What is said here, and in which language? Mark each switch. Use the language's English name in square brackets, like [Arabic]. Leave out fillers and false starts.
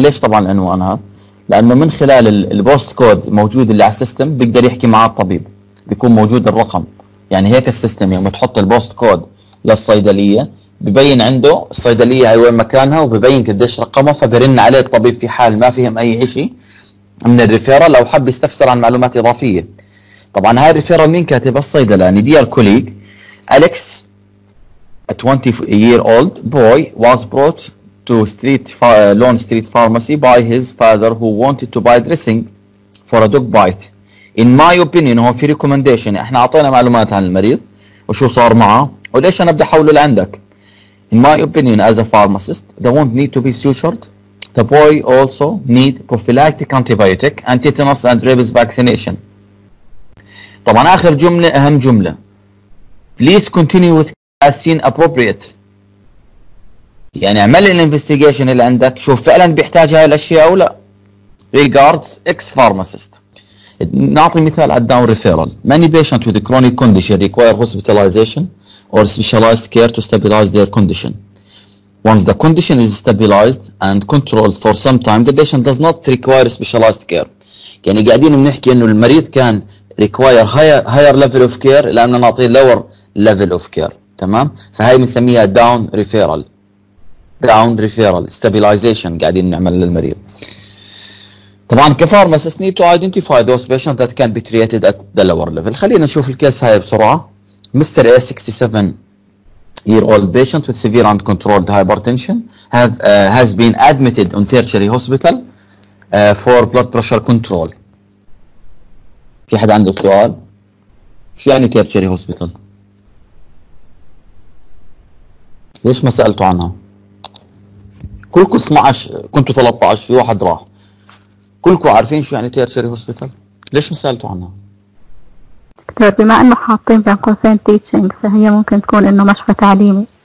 [Arabic] ليش طبعا عنوانها؟ لانه من خلال البوست كود موجود اللي على السيستم بيقدر يحكي مع الطبيب، بيكون موجود الرقم. يعني هيك السيستم يوم تحط البوست كود للصيدليه ببين عنده الصيدليه هي وين مكانها وببين قديش رقمها، فبرن عليه الطبيب في حال ما فهم اي شيء من الريفيرال لو حب يستفسر عن معلومات اضافيه. [English] طبعا هاي الريفيرال مين كاتب؟ الصيدلاني dear colleague Alex a 20 year old boy was brought to street Lone Street Pharmacy by his father who wanted to buy dressing for a dog bite. [Arabic] In my opinion, هو في recommendation احنا عطينا معلومات عن المريض وشو صار معه وليش انا بدي حوله لعندك. [English] In my opinion as a pharmacist, the wound need to be sutured. The boy also need prophylactic antibiotic and tetanus and rabies vaccination. [Arabic] طبعا اخر جملة اهم جملة. [English] Please continue with as seen appropriate. [Arabic] يعني اعمل الانفستيجيشن اللي عندك، شوف فعلا بيحتاج هاي الاشياء او لا. [English] Regards ex pharmacist. نعطي مثال على down referral. Many patients with chronic condition require hospitalization or specialized care to stabilize their condition. Once the condition is stabilized and controlled for some time, the patient does not require specialized care. [Arabic] يعني قاعدين بنحكي انه المريض كان require higher level of care لاننا نعطيه lower level of care. تمام؟ فهي بنسميها down referral. Down referral stabilization قاعدين نعمل للمريض. [English] طبعا كفارماسيست need to identify those patients that can be treated at the lower level. [Arabic] خلينا نشوف الكيس هاي بسرعة. [English] Mr. A 67 year old patient with severe uncontrolled hypertension has been admitted on tertiary hospital for blood pressure control. في حد عنده سؤال؟ [Arabic] لا شو يعني تيرشري هوسبيتال؟ ليش ما سألتوا عنها؟ كلكم 12 كنتوا 13 في واحد راح، كلكم عارفين شو يعني تيرشري هوسبيتال؟ ليش ما سألتوا عنها؟ دكتور بما انه حاطين بين قوسين تيتشنج فهي ممكن تكون انه مشفى تعليمي.